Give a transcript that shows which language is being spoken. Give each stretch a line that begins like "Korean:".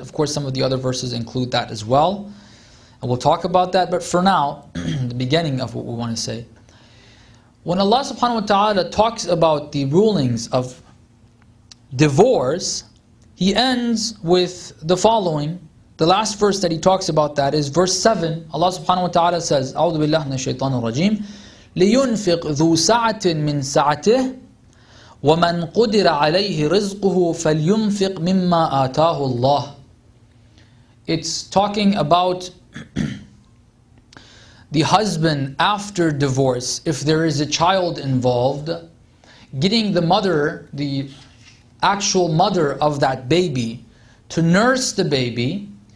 English: Of course, some of the other verses include that as well. And we'll talk about that, but for now, the beginning of what we want to say. When Allah subhanahu wa ta'ala talks about the rulings of divorce, He ends with the following. The last verse that He talks about that is verse 7. Allah subhanahu wa ta'ala says,
Arabic: أعوذ بالله من الشيطان الرجيم لينفق ذو سعة من سعته ومن قدر عليه رزقه فلينفق مما آتاه الله.
English: It's talking about the husband after divorce, if there is a child involved, getting the mother, the actual mother of that baby, to nurse the baby.